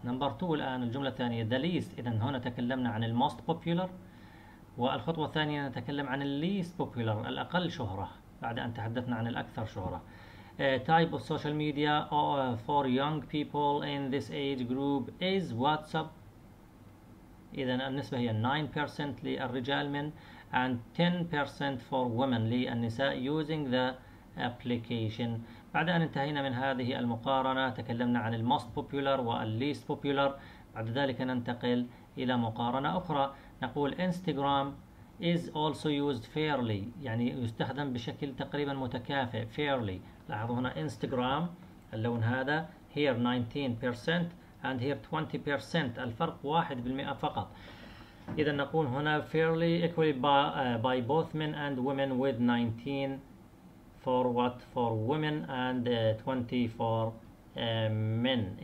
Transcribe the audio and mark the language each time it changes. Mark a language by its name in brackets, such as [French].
[Arabic] Number 2 الآن الجملة الثانية the least. إذا هنا تكلمنا عن [English] the most popular [Arabic] والخطوة الثانية نتكلم عن [English] the least popular [Arabic] الأقل شهرة بعد أن تحدثنا عن الأكثر شهرة. [English] Type of social media for young people in this age group is WhatsApp. [Arabic] إذن النسبة هي 9% للرجال من [English] and 10% for women [Arabic] للنساء [English] using the application. [Arabic] بعد أن انتهينا من هذه المقارنة تكلمنا عن [English] the most popular [Arabic] والleast popular. بعد ذلك ننتقل إلى مقارنة أخرى. يقول انستغرام [English] is also used fairly، [Arabic] يعني يستخدم بشكل تقريبا متكافئ fairly. لاحظوا هنا انستغرام اللون هذا [English] here 19% and here 20%، [Arabic] الفرق 1% فقط. إذا نقول هنا [English] fairly equally by both men and women with 19 for what for women and 20 for men.